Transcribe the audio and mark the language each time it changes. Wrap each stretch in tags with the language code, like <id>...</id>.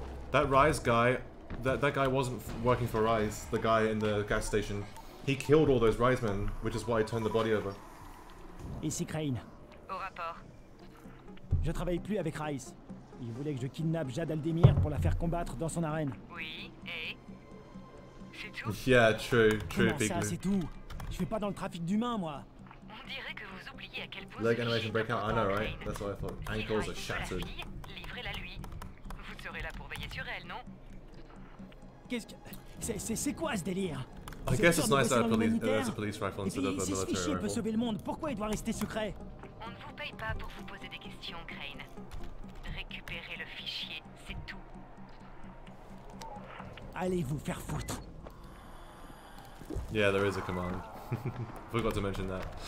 <en>That Rise guy, that guy wasn't working for Rise, the guy in the gas station. He killed all those Rise men, which is why I turned the body over.</en> <fr>Ici Crane. Au rapport. Je travaille plus avec Rice. Il voulait que je kidnappe Jad Aldemir pour la faire combattre dans son arène. Oui, et c'est tout.</fr> <en>Yeah, true.</en> <fr>Comment ça, c'est tout? Je suis pas dans le trafic d'humains, moi. On dirait que vous oubliez à quel point.</fr> <en>Leg animation breakout, I know, right? That's what I thought. Ankles are shattered.</en> <fr>Livrez-la lui. Vous serez là pour veiller sur elle, non? Qu'est-ce que c'est quoi ce délire?</fr> <en>I guess it's nice that there's a police rifle instead of a military rifle.</en> <fr>Si ce fichier peut sauver le monde, pourquoi il doit rester secret? On ne vous paye pas pour vous poser des questions, Crane. Récupérez le fichier, c'est tout. Allez vous faire foutre.</fr> <en>Yeah, there is a command. Forgot to mention that.</en>